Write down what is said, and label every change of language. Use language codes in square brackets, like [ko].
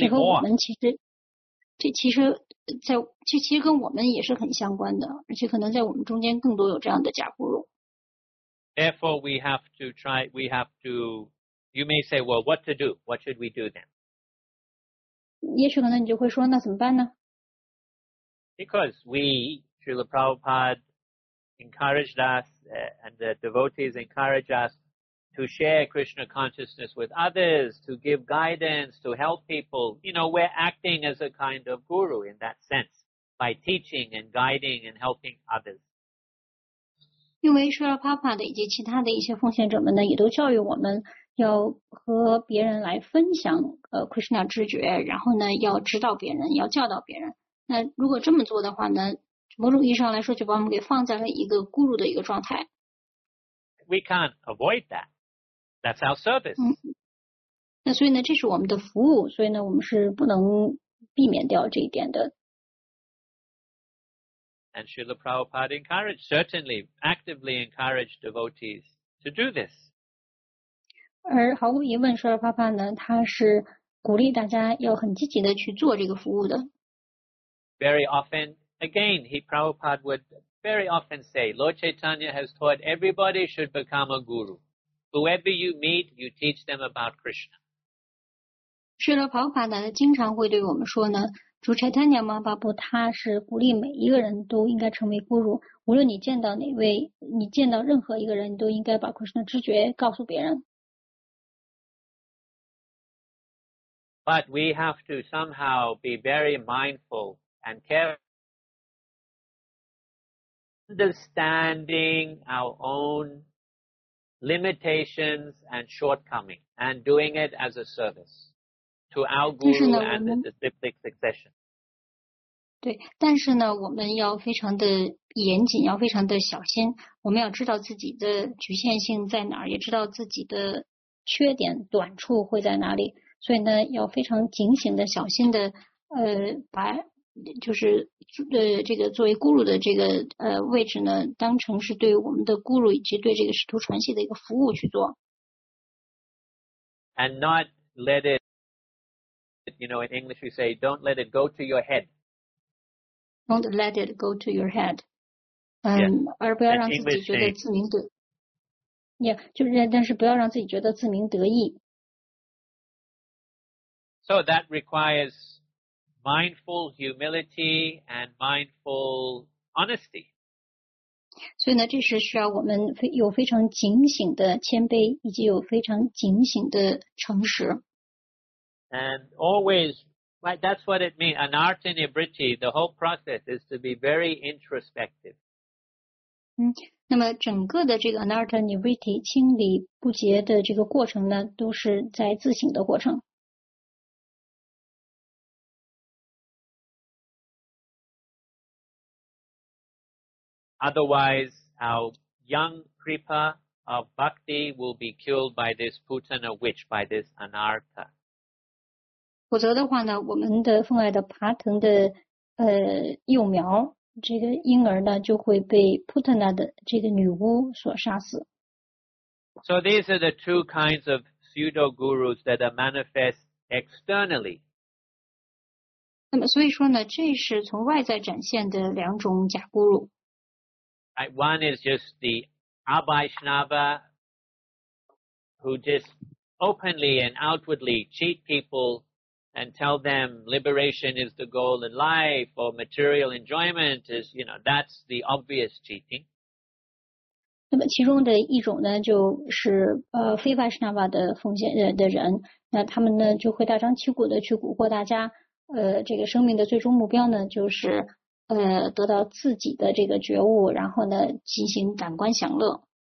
[zh] 这和我们其实，这其实在这其实跟我们也是很相关的，而且可能在我们中间更多有这样的假咕噜。 [en] Therefore, we have to try. We have to. You may say, "Well, what to do? What should we do then?" [zh] 也许可能你就会说，那怎么办呢？ [en] Because we, Srila Prabhupada encouraged us, and the devotees encourage us to share Krishna consciousness with others, to give guidance, to help people. You know, we're acting as a kind of guru in that sense, by teaching and guiding and helping others. [zh] 因为 Srila Prabhupada 以及其他的一些奉献者们呢，也都教育我们要和别人来分享Krishna 知觉，然后呢要指导别人，要教导别人。那如果这么做的话呢，某种意义上来说就把我们给放在了一个guru的一个状态。 [en] We can't avoid that. That's our service. [zh] 那所以呢，这是我们的服务，所以呢，我们是不能避免掉这一点的。 [en] And Srila Prabhupada encouraged, certainly, actively encouraged devotees to do this. [zh] 而毫无疑问，舍尔帕帕呢，他是鼓励大家要很积极的去做这个服务的。 [en] Very often, again, he Prabhupada would very often say, Lord Chaitanya has taught everybody should become a guru. Whoever you meet, you teach them about Krishna. [zh] 舍尔帕帕呢，经常会对我们说呢，主 Chaitanya Mahaprabhu 他是鼓励每一个人都应该成为 guru。无论你见到哪位，你见到任何一个人，你都应该把 Krishna 知觉告诉别人。 But we have to somehow be very mindful and careful, understanding our own limitations and shortcomings, and doing it as a service to our guru and the disciplic succession. 对，但是呢，我们要非常的严谨，要非常的小心。我们要知道自己的局限性在哪儿，也知道自己的缺点、短处会在哪里。所以呢，要非常警醒的、小心的，把就是这个作为咕噜的这个位置呢，当成是对我们的咕噜以及对这个使徒传系的一个服务去做。 [en] And not let it, you know, in English we say, don't let it go to your head. Don't let it go to your head. [zh] 而不要让自己觉得自鸣得。 Yeah, 就是，但是不要让自己觉得自鸣得意。 [en] So that requires mindful humility and mindful honesty. [zh] 所以呢，这是需要我们有非常警醒的谦卑，以及有非常警醒的诚实。 [en] And always, right, that's what it means. Anartha Nibriti, the whole process is to be very introspective. [zh] 那么整个的这个 Anartha Nibriti, 清理不洁的这个过程呢，都是在自省的过程。 [en] Otherwise, our young Kripa of Bhakti will be killed by this Putana witch, by this Anartha. [zh] 否则的话呢，我们的奉爱的爬藤的幼苗，这个婴儿呢，就会被 Putana 的这个女巫所杀死。 [en] So these are the two kinds of pseudo gurus that are manifest externally. [zh] 那么所以说呢，这是从外在展现的两种假咕噜。 [en] One is just the Abhaishnava who just openly and outwardly cheat people and tell them liberation is the goal in life or material enjoyment is, you know, that's the obvious cheating. [zh] 那么其中的一种呢就是非法士那瓦的奉献的人，那他们呢就会大张旗鼓的去蛊惑大家，这个生命的最终目标呢就是得到自己的这个觉悟，然后呢进行感官享乐。